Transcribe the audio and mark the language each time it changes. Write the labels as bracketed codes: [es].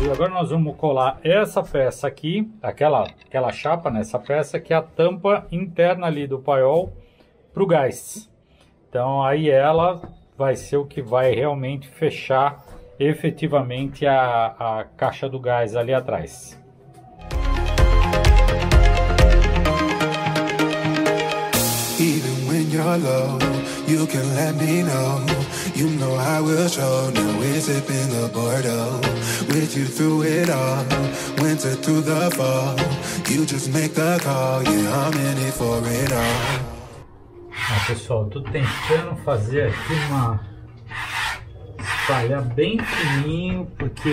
[pt] Nós vamos colar essa peça aqui, aquela chapa nessa peça, que é a tampa interna ali do paiol para o gás. Então aí ela vai ser o que vai realmente fechar efetivamente a caixa do gás ali atrás. [en] Even when you're low, you can let me know. You know I will show, now we're sipping the Bordeaux. With you through it all, winter through the fall. You just make the call, yeah, I'm in it for it all. [pt] Ah, pessoal, tô tentando fazer aqui uma... espalhar bem fininho, porque...